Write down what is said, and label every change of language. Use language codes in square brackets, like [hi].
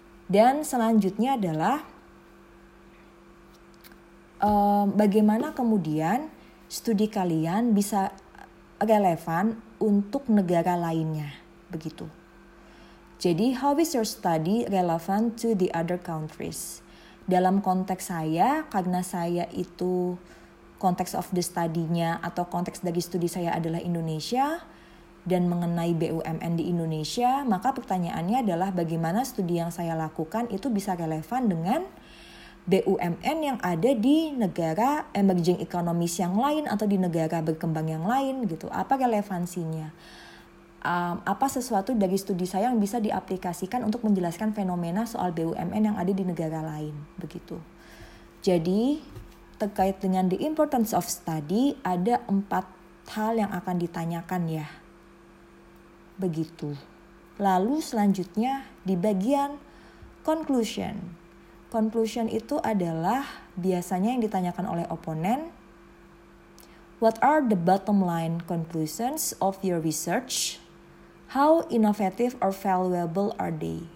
[id] Dan selanjutnya adalah bagaimana kemudian studi kalian bisa relevan untuk negara lainnya, begitu. [en] Jadi, how is your study relevant to the other countries? [id] Dalam konteks saya, karena saya itu konteks of the study-nya atau konteks dari studi saya adalah Indonesia dan mengenai BUMN di Indonesia, maka pertanyaannya adalah bagaimana studi yang saya lakukan itu bisa relevan dengan BUMN yang ada di negara emerging economies yang lain atau di negara berkembang yang lain gitu. Apa relevansinya? Apa sesuatu dari studi saya yang bisa diaplikasikan untuk menjelaskan fenomena soal BUMN yang ada di negara lain begitu. Jadi terkait dengan [en] the importance of study, [id] ada 4 hal yang akan ditanyakan ya, begitu. Lalu selanjutnya di bagian conclusion. Conclusion itu adalah biasanya yang ditanyakan oleh oponen. [en] What are the bottom line conclusions of your research? How innovative or valuable are they?